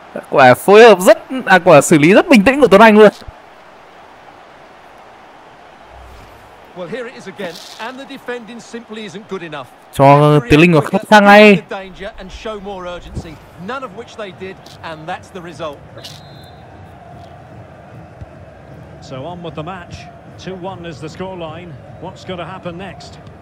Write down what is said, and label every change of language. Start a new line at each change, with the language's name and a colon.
Vietnamese: Quả phối hợp rất à, quả xử lý rất bình tĩnh của Tuấn Anh luôn.
English: Well, here it is again. And the defending simply isn't good enough.
Vietnamese: Cho Tiến Linh vào khách sang ngay.
English: And show more urgency. None of which they did, and that's the result. So on with the match. 2-1 is the scoreline. What's going to happen next?